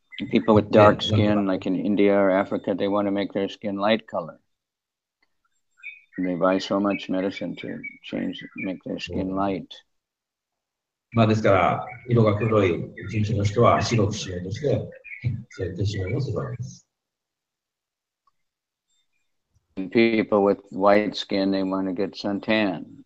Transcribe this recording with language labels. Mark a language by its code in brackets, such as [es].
[en] People with dark skin, like in India or Africa, they want to make their skin light color. They buy so much medicine to change, make their skin light. [ja] まあですから、色が黒い人種の人は白くしようとして、設定しようとするわけです。 [en] And people with white skin, they want to get suntan.